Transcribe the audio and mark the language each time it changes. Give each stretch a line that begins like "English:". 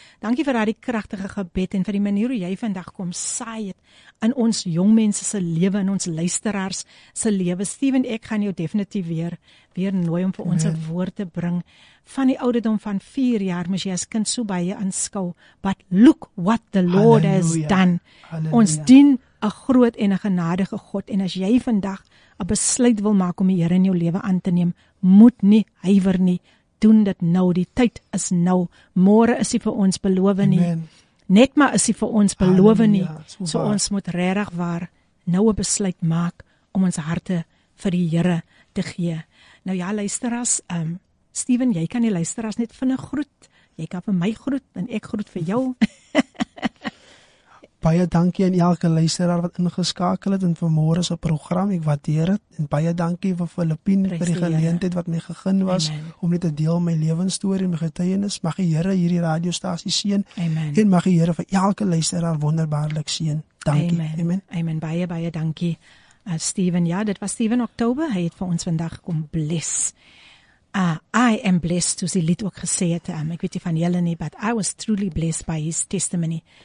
Afrikaans: Dankie vir daardie kragtige gebed en vir die manier hoe jy vandag kom saai het in ons jongmense se lewe, in ons luisteraars se lewe. Steven, ek gaan jou definitief weer nooi om vir ons 'n woord te bring. Van die ouderdom van 4 jaar moes jy as kind so baie aanskou.
English: But look what the Lord has done.
Afrikaans: Halleluja. Ons dien 'n groot en 'n genadige God, en as jy vandag 'n besluit wil maak om die Here in jou lewe aan te neem, moet nie huiwer nie. Doen dit nou, die tyd is nou. Môre is ie vir ons beloof nie. Net maar is ie vir ons beloof nie. So ons moet regtig waar nou 'n besluit maak om ons harte vir die Here te gee. Nou ja, luisteraars, Steven, jy kan die luisteraars net vinnig groet. Jy kan vir my groet en ek groet vir jou. Baie dankie aan elke luisteraar wat ingeskakel het in vanmôre se program. Ek waardeer dit, en baie dankie vir Filippine vir die geleentheid wat my gegee was om net te deel my lewensstorie en my getuienis. Mag die Here hierdie radiostasie seën. Amen. En mag die Here vir elke luisteraar wonderbaarlik seën. Dankie. Amen. Amen. Amen. Baie dankie. Steven, ja, dit was Steven Oktober. Hy het vir ons vandag kom bless.
English: I am blessed,
Afrikaans: soos die lied ook gesê het. Ek weet nie van julle nie,
English: but I was truly blessed by his testimony.